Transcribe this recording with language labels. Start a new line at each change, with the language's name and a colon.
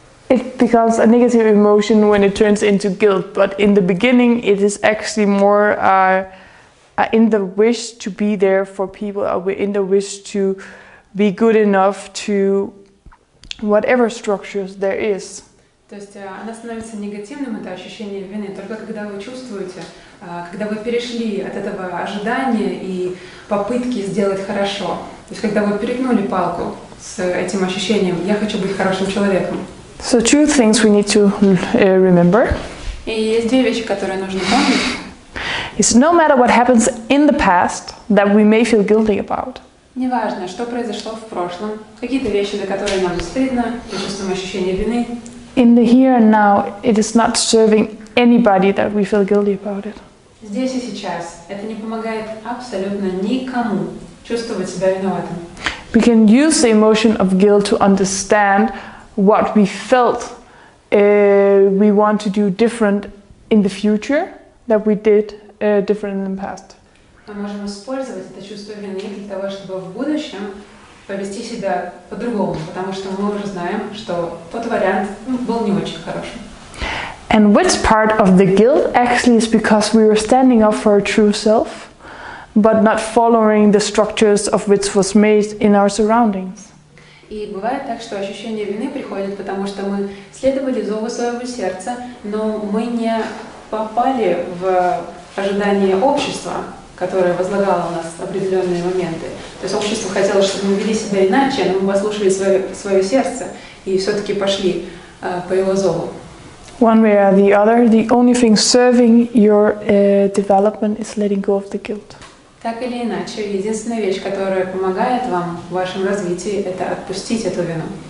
English: It becomes a negative emotion when it turns into guilt, but in the beginning it is actually more in the wish to be there for people, in the wish to be good enough to whatever structures there is.
Russian: То есть она становится негативным, это ощущение вины, только когда вы чувствуете, когда вы перешли от этого ожидания и попытки сделать хорошо. То есть когда вы перегнули палку с этим ощущением, я хочу быть хорошим человеком.
English: So two things we need to remember.
Russian: И есть две вещи, которые нужно помнить.
English: It's no matter what happens in the past that we may feel guilty about.
Russian: Неважно, что произошло в прошлом, какие-то вещи, за которые нам стыдно, мы чувствуем ощущение вины.
English: In the here and now, it is not serving anybody that we feel guilty about it.
Russian: Здесь и сейчас это не помогает абсолютно никому чувствовать себя виноватым.
English: We can use the emotion of guilt to understand what we felt we want to do different in the future that we did different in the past.
Russian: Мы можем использовать это чувство вины для того, чтобы в будущем повести себя по-другому, потому что мы уже знаем, что тот вариант был не очень хорошим.
English: And which part of the guilt actually is because we were standing up for our true self, but not following the structures of which was made in our surroundings?
Russian: И бывает так, что ощущение вины приходит, потому что мы следовали зову своего сердца, но мы не попали в ожидания общества, которая возлагала у нас определенные моменты. То есть общество хотело, чтобы мы вели себя иначе, но мы послушали свое сердце и все-таки пошли по его зову.
English: One way or the other, the only thing serving your development is letting go of the guilt.
Russian: Так или иначе, единственная вещь, которая помогает вам в вашем развитии, это отпустить эту вину.